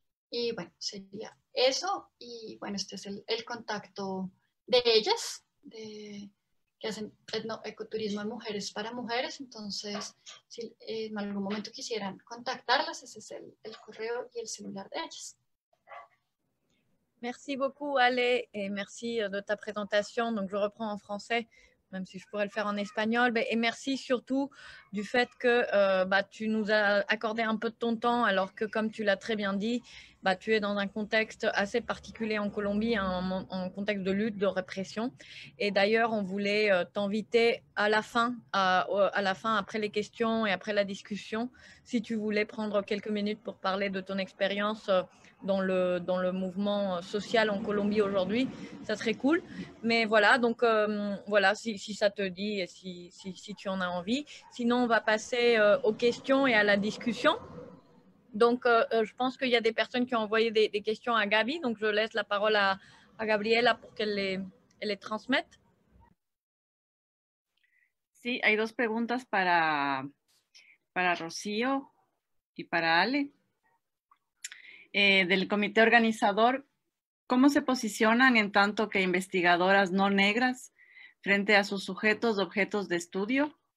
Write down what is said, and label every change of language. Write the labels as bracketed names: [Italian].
[Spanish] Y bueno, sería eso. Y bueno, este es el contacto de ellas, que hacen ecoturismo de mujeres para mujeres. Entonces, si en algún momento quisieran contactarlas, ese es el correo y el celular de ellas. [French] Merci beaucoup, Ale, et merci de ta présentation. Donc, je reprends en français, même si je pourrais le faire en espagnol. Et merci surtout du fait que tu nous as accordé un peu de ton temps, alors que, comme tu l'as très bien dit, tu es dans un contexte assez particulier en Colombie, en contexte de lutte, de répression. Et d'ailleurs, on voulait t'inviter à la fin, après les questions et après la discussion, si tu voulais prendre quelques minutes pour parler de ton expérience dans le mouvement social en Colombie aujourd'hui, ça serait cool. Mais voilà, donc voilà, si ça te dit et si tu en as envie. Sinon, on va passer aux questions et à la discussion. Donc, je pense qu'il y a des personnes qui ont envoyé des questions à Gaby. Donc, je laisse la parole à Gabriela pour qu'elle les transmette. [Spanish] Sí, hay dos preguntas para Rocío y para Ale. Del comité organizador, ¿cómo se posicionan en tanto que investigadoras no negras frente a sus sujetos de objetos de estudio?